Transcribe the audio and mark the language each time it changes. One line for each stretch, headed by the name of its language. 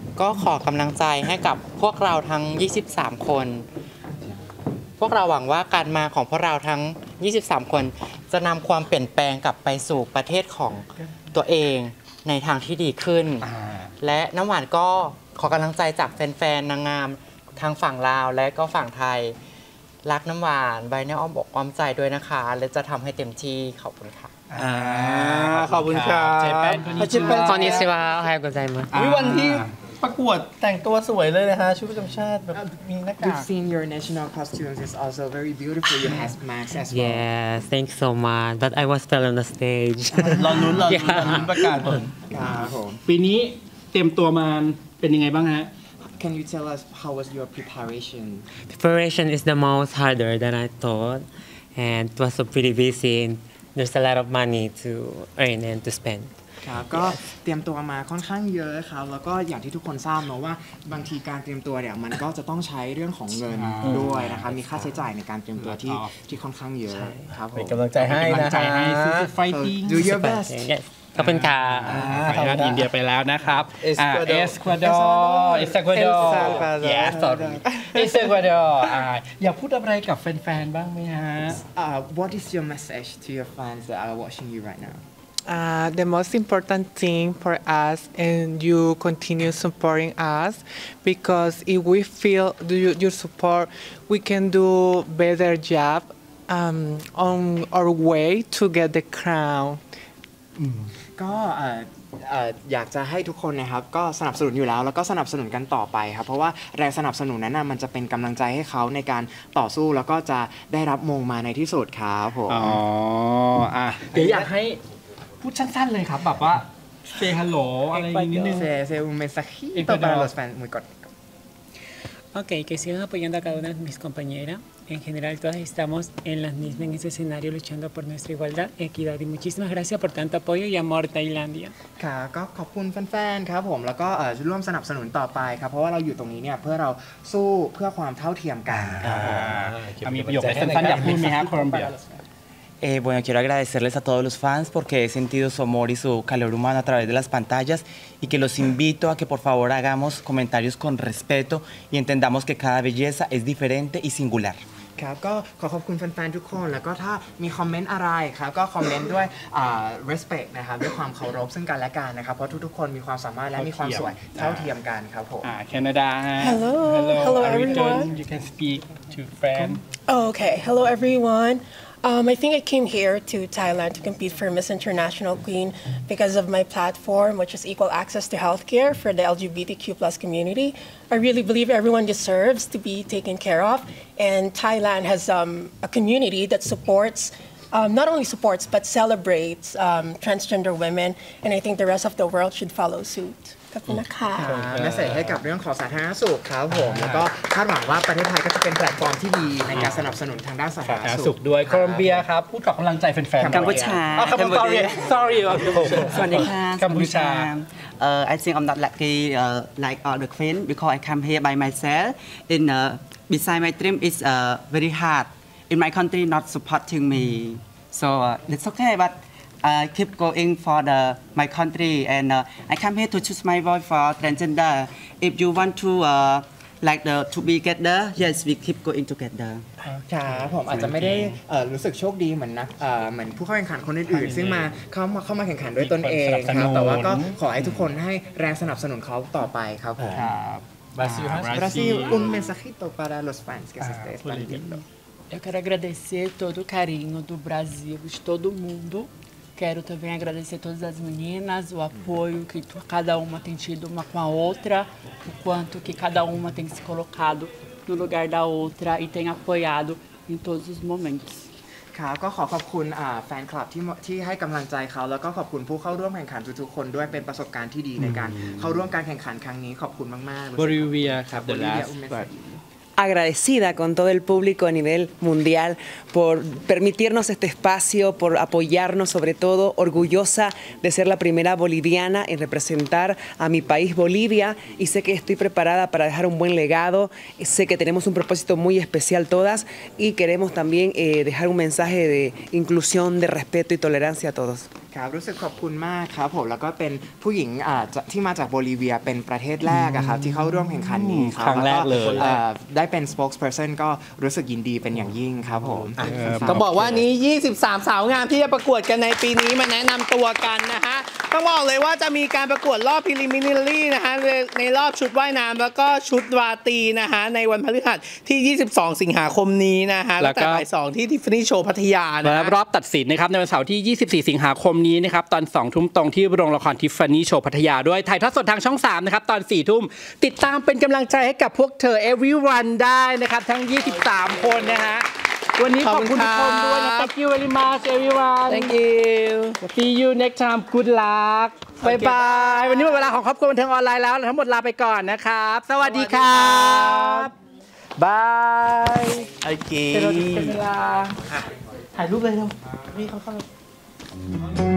Thai: ก็ขอกำลังใจให้กับพวกเราทั้ง23คนพวกเราหวังว่าการมาของพวกเราทั้ง23คนจะนำความเปลี่ยนแปลงกลับไปสู่ประเทศของตัวเองในทางที่ดีขึ้นและน้ำหวานก็ขอกำลังใจจากแฟนๆนางงามทางฝั่งลาวและก็ฝั่งไทยรักน้ำหวานไว้ในอ้อมอกอ้อมใจด้วยนะคะและจะทำให้เต็มที่ขอบคุณค่ะ ขอบคุณค่ะ ขอบคุณค่ะขอบคุณค่ะขอบคุณค่ะขอบคุณค่ะ วันที่ประกวดแต่งตัวสวยเลยนะฮะชุดประจำชาติแบบมีหน้ากาก
English: We've seen your national costumes is also very beautiful you have masks as well Yes thanks so much but I was fell on the stage
Thai: รอลุ้นประกาศผล ปีนี้เต็มตัวมาเป็นยังไงบ้างฮะ
English: Can you tell us how was your preparation Preparation is the most harder than I thought and it was so pretty busy there's a lot of money to earn and to spend
Thai: ครับก็เตรียมตัวมาค่อนข้างเยอะครับแล้วก็อย่างที่ทุกคนทราบเนาะว่าบางทีการเตรียมตัวเนี่ยมันก็จะต้องใช้เรื่องของเงินด้วยนะคะมีค่าใช้จ่ายในการเตรียมตัวที่ค่อนข้างเยอะครับ เป็นกำลังใจให้นะ ครับfighting
English: do your best
Thai: ขอบคุณค่ะ ไปแล้วอินเดียไปแล้วนะครับ เอสควาดอร์อยากพูดอะไรกับแฟนๆบ้างไหมฮะ
English: What is your message to your fans that are watching you right now The most important thing for us and you continue supporting us because if we feel your support we can do better jobon our way to get the crown
Thai: ก็อยากจะให้ทุกคนนะครับก็สนับสนุนอยู่แล้วแล้วก็สนับสนุนกันต่อไปครับเพราะว่าแรงสนับสนุนนั้นมันจะเป็นกำลังใจให้เขาในการต่อสู้แล้วก็จะได้รับมงมาในที่สุดครับผม เดี๋ยวอยากให้พูดสั้นๆเลยครับแบบว่าเซย์ฮัลโหลอะไรนิดนึง เซย์เซย์อุเมซากิต่อไปเราสแปนมือก่อน
Spanish: Okay, que sigan apoyando a cada una de mis compañeras. En general, todas estamos en las mismas en ese escenario luchando por nuestra igualdad, equidad y muchísimas gracias por tanto apoyo y amor Tailandia.
Thai: ค่ะก็ขอบคุณแฟนๆครับผมแล้วก็ร่วมสนับสนุนต่อไปครับเพราะว่าเราอยู่ตรงนี้เนี่ยเพื่อเราสู้เพื่อความเท่าเทียมกัน มีประโยคสั้นๆอยากพูดมั้ยฮะโคลอมเบีย Bueno, quiero agradecerles a todos los fans porque he sentido su amor y su calor humano a través de las pantallas y que los invito a que por favor hagamos comentarios con respeto y entendamos que cada belleza es diferente y singular. ครับก็ขอขอบคุณแฟนๆทุกคนแล้วก็ถ้ามีคอมเมนต์อะไรครับก็คอมเมนต์ด้วย
English: respect
Thai: นะครับด้วยความเคารพซึ่งกันและกันนะครับเพราะทุกๆคนมีความสามารถและมีความสวยเท่าเทียมกันครับผม แคนาดา
English: Hello everyone you can speak to fan okay hello everyone I think I came here to Thailand to compete for Miss International Queen because of my platform which is equal access to healthcare for the LGBTQ+ communityI really believe everyone deserves to be taken care of, and Thailand has a community that supports, not only supports, but celebrates transgender women, and I think the rest of the world should follow suit.
Thai: ขอบคุณนะคะ มาเสริมให้กับเรื่องของสาธารณสุขครับผมแล้วก็คาดหวังว่าประเทศไทยก็จะเป็นแพลตฟอร์มที่ดีในการสนับสนุนทางด้านสาธารณสุข ด้วยโคลอมเบียครับพูดขอกำลังใจแฟนๆ กัมพูชากัมพูชา
English: sorry
Thai: สวัสดีค่ะ กัมพูชา
English: I think I'm not lucky like all the queens because I come here by myself. In beside my dream is very hard. In my country, not supporting me, so it's okay. But I keep going for the my country, and I come here to choose my voice for transgender. If you want to like the to be together, yes, we keep going together.
Thai: ครับผมอาจจะไม่ได้รู้สึกโชคดีเหมือนนักเหมือนผู้เข้าแข่งขันคนอื่นๆซึ่งมาเข้ามาแข่งขันด้วยตนเองครับแต่ว่าก็ขอให้ทุกคนให้แรงสนับสนุนเขาต่อไปครับผม ครับบราซิล
Spanish: บราซิลอุนเมซาจิโต para los fans que se esté expandiendo
Portuguese: Eu quero agradecer todo o carinho do Brasil de todo mundo quero também agradecer todas as meninas o apoio que cada uma tem tido uma com a outra o quanto que cada uma tem se colocadono lugar da outra e tem apoiado em todos os momentos.
Thai: ครับก็ขอบคุณแฟนคลับที่ให้กำลังใจเขาแล้วก็ขอบคุณผู้เข้าร่วมแข่งขันทุกๆคนด้วยเป็นประสบการณ์ที่ดีในการเข้าร่วมการแข่งขันครั้งนี้ขอบคุณมาก
English: ๆ Bolivia
Thai: ครับ
English: The last
Spanish: agradecida con todo el público a nivel mundial por permitirnos este espacio por apoyarnos sobre todo orgullosa de ser la primera boliviana en representar a mi país Bolivia y sé que estoy preparada para dejar un buen legado sé que tenemos un propósito muy especial todas y queremos también dejar un mensaje de inclusión de respeto y tolerancia a todos
Thai: ครับรู้สึกขอบคุณมากครับผมแล้วก็เป็นผู้หญิงที่มาจากโบลิเวียเป็นประเทศแรกอะครับที่เข้าร่วมแข่งขันนี้ครับ ครั้งแรกเลย ได้เป็น spokesperson ก็รู้สึกยินดีเป็นอย่างยิ่งครับผม ก็บอกว่านี้23สาวงามที่จะประกวดกันในปีนี้มาแนะนำตัวกันนะฮะต้องบอกเลยว่าจะมีการประกวดรอบ preliminary นะฮะในรอบชุดว่ายน้ำแล้วก็ชุดวาตีนะฮะในวันพฤหัสที่22สิงหาคมนี้นะฮะแล้วก็บ่าย2ที่ Tiffany Show พัทยานะ แล้วรอบตัดสินนะครับในวันเสาร์ที่24สิงหาคมนี้นะครับตอน 20:00 ตรงที่โรงละครทิฟฟานี่โชว์พัทยาด้วยถ่ายทอดสดทางช่อง3นะครับตอน 20:00 ติดตามเป็นกำลังใจให้กับพวกเธอ
English: everyone
Thai: ได้นะครับทั้ง23คนนะฮะวันนี้ขอบคุณทุกคนด้วยนะ
English: Thank you very much everyone Thank you See you next time good luck okay. bye bye
Thai: วันนี้หมดเวลาของครอบครัวบันเทิงออนไลน์แล้วทั้งหมดลาไปก่อนนะครับสวัสดีครับ
English: bye
Thai: โอเค เจอกันเวลาถ่ายรูปเลยเร็วนี่เข้าๆ Mm-hmm.